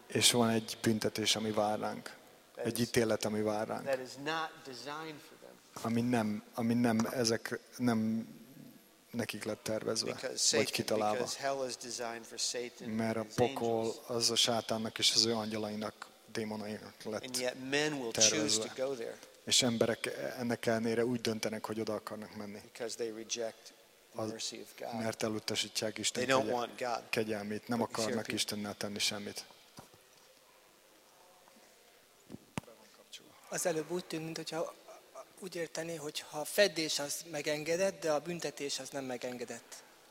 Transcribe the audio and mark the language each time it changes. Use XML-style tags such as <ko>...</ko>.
<hu>És van egy büntetés, ami vár ránk. Egy ítélet, ami vár ránk.</hu> <en>That is not designed for them.</en> <hu>Ami nem ezek nem nekik lett tervezve, vagy kitalálva.</hu> <en>Because hell is designed for Satan.</en> <hu>Mert a pokol az a sátánnak és az ő angyalainak.</hu> <en>And yet men will choose to go there.</en> <hu>És emberek ennek ellenére úgy döntenek, hogy oda akarnak menni.</hu> <en>Because they reject the mercy of God.</en> <hu>Mert elutasítják Isten kegyelmét.</hu> <en>They don't want God.</en> <hu>Kegyelmét. Nem akarnak Istennel tenni semmit. Az előbb úgy tűnt, mintha úgy érteni, hogy ha feddés az megengedett, de a büntetés az nem megengedett.</hu>